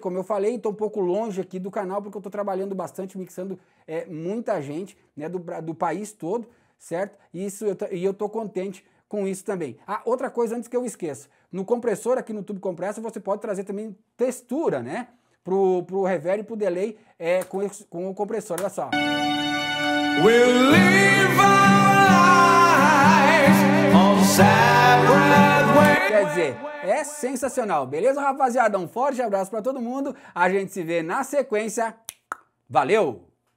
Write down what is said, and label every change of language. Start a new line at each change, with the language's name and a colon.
Portuguese: Como eu falei, estou um pouco longe aqui do canal, porque eu estou trabalhando bastante, mixando muita gente, né, do país todo, certo? E eu estou contente com isso também. Ah, outra coisa antes que eu esqueça. No compressor, aqui no tubo compressor, você pode trazer também textura, né? Pro reverb e pro delay com o compressor. Olha só.
English: We'll live our lives on separate ways.
Portuguese: Quer dizer, é sensacional. Beleza, rapaziada? Um forte abraço pra todo mundo. A gente se vê na sequência. Valeu!